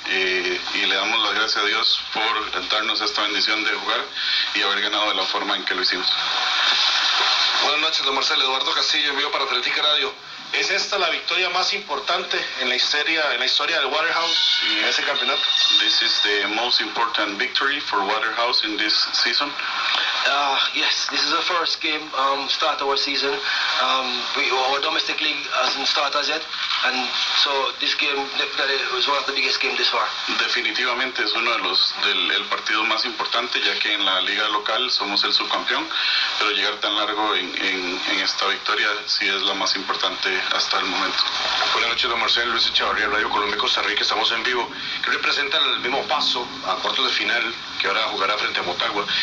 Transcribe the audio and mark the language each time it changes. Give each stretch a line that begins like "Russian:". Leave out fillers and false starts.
Spanish: Y le damos las gracias a Dios por darnos esta bendición de jugar y haber ganado de la forma en que lo hicimos. Buenas noches, don Marcelo. Eduardo Castillo, envío para Atlética Radio. ¿Es esta la victoria más importante en la historia del Waterhouse en ese campeonato?
English: This is the most important victory for Waterhouse in this season. Yes, this is the first game start of our season. Our domestic league hasn't started yet, and so this game definitely was one of the biggest games this far.
Spanish: Definitivamente es uno de los del partido más importante, ya que en la liga local somos el subcampeón, pero llegar tan largo en esta victoria sí es la más importante hasta el momento. Buenas noches, don Marcel. Luis Echavarría, Radio Colombia Costa Rica, estamos en vivo. ¿Qué representa el mismo paso a cuartos de final que ahora jugará frente a Motagua?